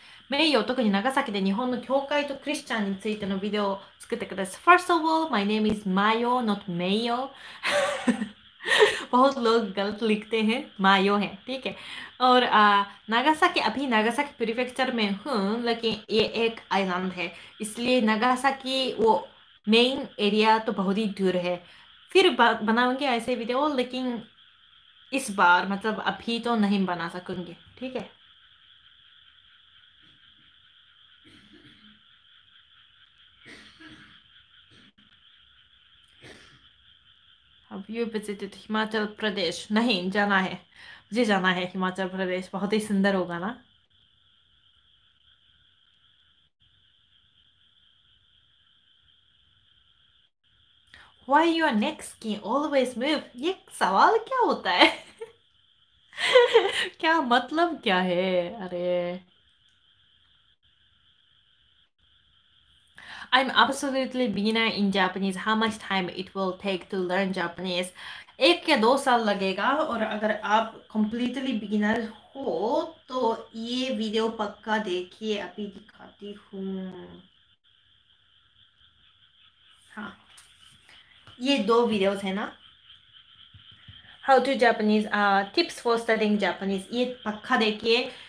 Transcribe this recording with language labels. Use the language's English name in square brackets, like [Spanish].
[Japanese] メイヨと国長崎で日本の教会とクリスチャンについてのビデオを作ってください。 [English] First of all, my name is Mayo, not Mayo. [Hindi] बहुत लोग गलत लिखते हैं, मायो है, ठीक है। और नागासाकी, अभी नागासाकी प्रीफेक्चर में हूँ, लेकिन ये एक आइलैंड है, इसलिए नागासाकी वो मेन एरिया तो बहुत ही दूर है। फिर बनाऊंगी ऐसे वीडियो, लेकिन इस बार मतलब अभी तो नहीं बना सकूंगी, ठीक है। [English] अब you visited [Hindi] हिमाचल प्रदेश? नहीं जाना है, मुझे जाना है हिमाचल प्रदेश, बहुत ही सुंदर होगा ना। [English] Why your neck skin always move? [Hindi] ये सवाल क्या होता है? क्या मतलब क्या है? अरे [English] I'm absolutely beginner in Japanese. How much time it will take to learn Japanese? [Hindi] 1 या 2 साल लगेगा, और अगर आप [English] completely beginner [Hindi] हो तो ये वीडियो पक्का देखिए, अभी दिखाती हूँ। हाँ ये दो वीडियोस है ना, [English] how to Japanese, tips for studying Japanese, [Hindi] ये पक्का देखिए।